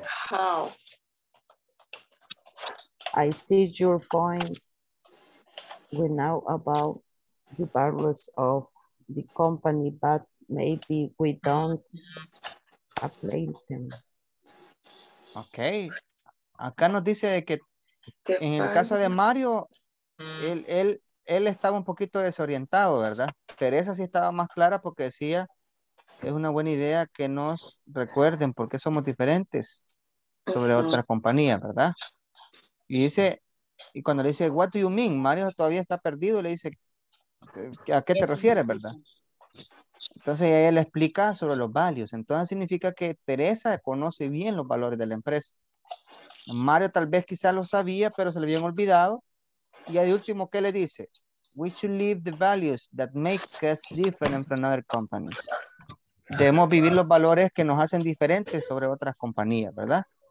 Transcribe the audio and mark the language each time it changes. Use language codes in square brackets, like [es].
[en] How? I see your point. We know about the values of the company, but maybe we don't apply them. Okay. [es] Acá nos dice de que en el caso de Mario, él estaba un poquito desorientado, ¿verdad? Teresa sí estaba más clara porque decía, es una buena idea que nos recuerden porque somos diferentes sobre otra compañía, ¿verdad? Y dice, y cuando le dice, [en] what do you mean? [es] Mario todavía está perdido, le dice, ¿a qué te refieres, verdad? Entonces ella le explica sobre los values. Entonces significa que Teresa conoce bien los valores de la empresa. Mario tal vez quizás lo sabía, pero se le habían olvidado. Y de último, ¿qué le dice? [en] We should live the values that make us different from other companies. [es] Debemos vivir los valores que nos hacen diferentes sobre otras compañías, ¿verdad?